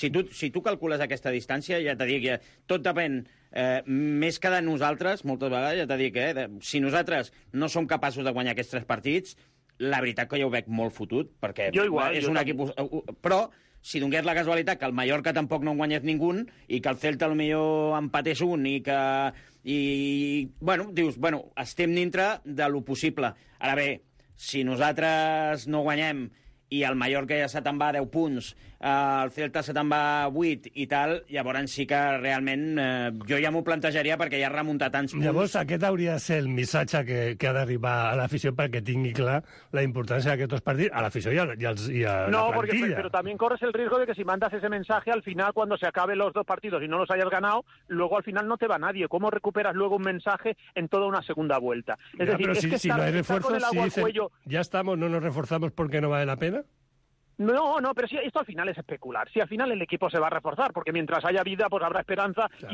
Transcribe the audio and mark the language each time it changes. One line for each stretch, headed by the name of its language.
Catalan: Si tu calcules aquesta distància, ja t'ho dic, ja, tot depèn més que de nosaltres, moltes vegades, ja t'ho dic, si nosaltres no som capaços de guanyar aquests tres partits, la veritat que jo ho veig molt fotut, perquè equip... Però...
Spanish: Si donés la casualidad que el Mallorca tampoco no guanyes ningún y que el Celta a lo mejor empates un y que...
Catalan: Y, bueno, dius, bueno, estem dintre de lo possible. Ara bé, si nosaltres no guanyem i el Mallorca ja se te'n va 10 punts, el Celta se te'n va 8 i tal, llavors sí que realment jo ja m'ho plantejaria perquè ja ha remuntat tants punts. Llavors aquest hauria de ser el missatge que ha d'arribar a l'afició perquè tingui clar la importància d'aquests partits, a l'afició i a la plantilla.
Spanish: No, porque, pero también corres el riesgo de que si mandas ese mensaje al final, cuando se acaben los dos partidos y no los hayas ganado, luego al final no te va nadie. ¿Cómo recuperas luego un mensaje en toda una segunda vuelta? Es ya, decir, pero es si, que si está, no hay refuerzos, si dicen, ya estamos, no nos reforzamos porque no vale la pena. No, pero si esto al final es especular. Si al final el equipo se va a reforzar, porque mientras haya vida, pues habrá esperanza, claro.